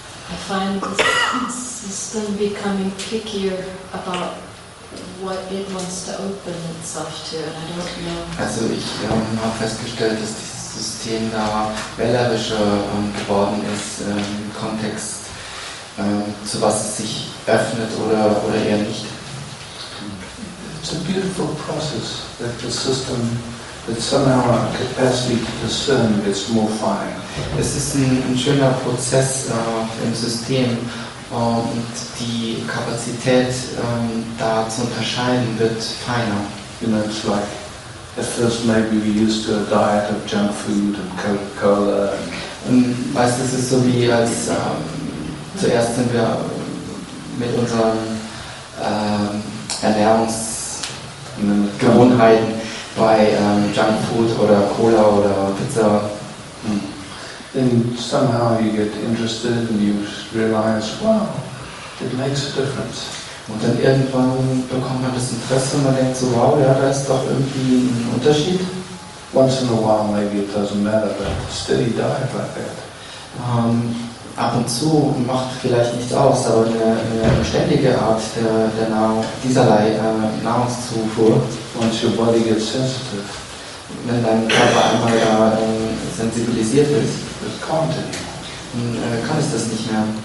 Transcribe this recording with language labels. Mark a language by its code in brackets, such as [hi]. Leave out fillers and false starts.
[en] I find the system becoming pickier about what it wants to open itself to, and I don't know. [de] Also ich habe festgestellt, dass dieses System da wählerischer geworden ist im Kontext, zu was es sich öffnet oder eher nicht. [en] It's a beautiful process that the system, that somehow our capacity to discern gets more fine. [de] Es ist ein schöner Prozess im System, und die Kapazität da zu unterscheiden wird feiner. [en] You know, it's like at first maybe we used to a diet of junk food and Coca-Cola. [de] Und weißt du, es ist so wie als zuerst sind wir mit unseren Ernährungsgewohnheiten bei junk food oder Cola oder Pizza. [en] Then somehow you get interested and you realize, wow, it makes a difference. [de] Und dann irgendwann bekommt man das Interesse und man denkt so, wow, ja, da ist doch irgendwie ein Unterschied. [en] Once in a while maybe it doesn't matter, but steady diet like that. [de] Ab und zu macht vielleicht nichts aus, aber eine ständige Art der Nahrungszufuhr. [en] Once your body gets sensitive. [de] Wenn dein Körper einmal da sensibilisiert ist, kann es das nicht mehr.